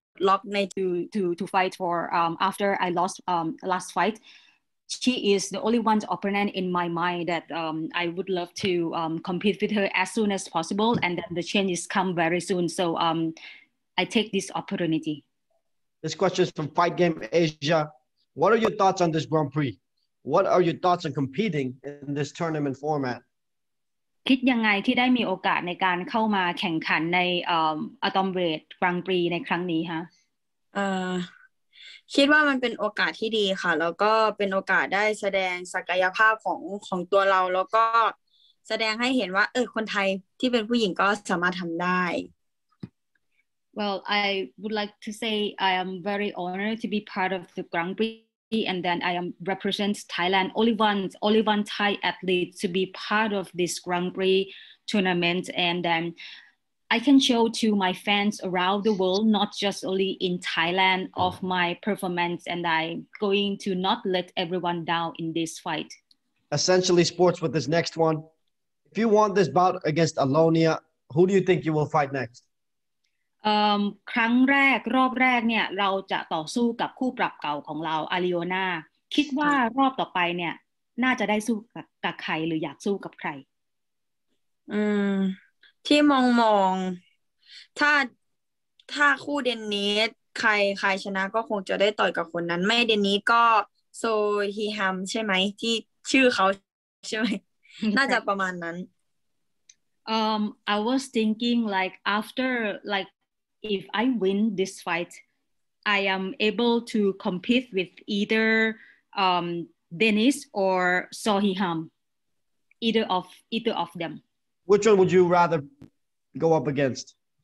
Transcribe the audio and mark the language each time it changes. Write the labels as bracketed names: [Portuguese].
[English] Lock made to fight for after I lost last fight she is the only one opponent in my mind that I would love to compete with her as soon as possible and then the change is come very soon so I take this opportunity this question is from Fight Game Asia what are your thoughts on this Grand Prix what are your thoughts on competing in this tournament format [Thai] คิดยังไงที่ได้มีโอกาสในการเข้ามาแข่งขันในอะตอมเรดกรังปรีในครั้งนี้ฮะ คิดว่ามันเป็นโอกาสที่ดีค่ะแล้วก็เป็นโอกาสได้แสดงศักยภาพของตัวเราแล้วก็แสดงให้เห็นว่าคนไทยที่เป็นผู้หญิงก็สามารถทำได้ [English] Well, I would like to say I am very honored to be part of the Grand Prix and then I am represent Thailand only one Thai athlete to be part of this Grand Prix tournament and then I can show to my fans around the world, not just only in Thailand, of my performance and I'm going to not let everyone down in this fight. Essentially sports with this next one. If you want this bout against Alyona, who do you think you will fight next? [Thai] ครั้งแรกรอบแรกเนี่ยเราจะต่อสู้กับคู่ปรับเก่าของเราอาริโอนาคิดว่ารอบต่อไปเนี่ยน่าจะได้สู้กับใครหรืออยากสู้กับใคร ที่มองถ้าคู่เดนนิสใครชนะก็คงจะได้ต่อยกับคนนั้นไม่เดนนิสก็โซฮีฮัมใช่ไหมที่ชื่อเขาใช่ไหม น่าจะประมาณนั้น [English] I was thinking like after like if I win this fight I am able to compete with either Dennis or So Hee Ham either of them which one would you rather go up against